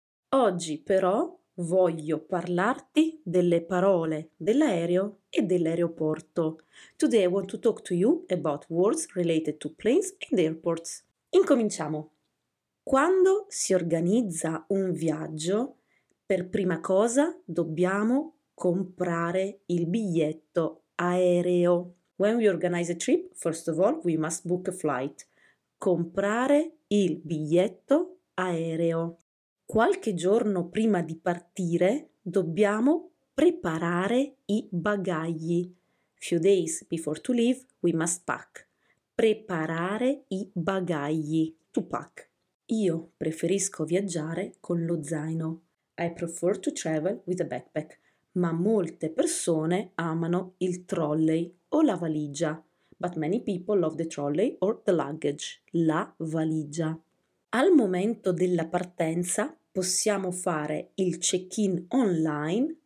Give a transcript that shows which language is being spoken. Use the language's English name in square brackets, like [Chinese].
[Italian] Oggi però voglio parlarti delle parole dell'aereo e dell'aeroporto. [English] Today I want to talk to you about words related to planes and airports. [Italian] Incominciamo. Quando si organizza un viaggio, per prima cosa dobbiamo comprare il biglietto aereo. [English] When we organize a trip, first of all, we must book a flight. [Italian] Comprare il biglietto aereo. Qualche giorno prima di partire dobbiamo preparare i bagagli. [English] Few days before to leave, we must pack. [Italian] Preparare i bagagli. [English] To pack. [Italian] Io preferisco viaggiare con lo zaino. [English] I prefer to travel with a backpack. [Italian] Ma molte persone amano il trolley o la valigia. [English] But many people love the trolley or the luggage. [Italian] La valigia. Al momento della partenza possiamo fare il check-in online.